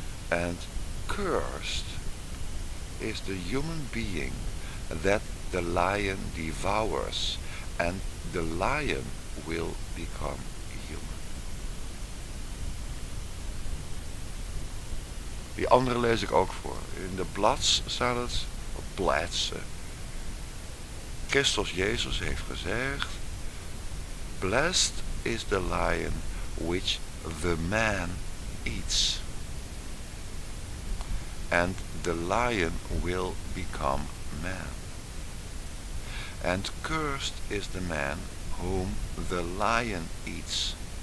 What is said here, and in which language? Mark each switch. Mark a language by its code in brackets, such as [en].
[en] And cursed is the human being that the lion devours and the lion will become human. [nl] Die andere lees ik ook voor. In de blads staat het. Bladsen. Christus Jezus heeft gezegd. [en] Blessed is the lion which the man eats. And the lion will become man. And cursed is the man whom the lion eats.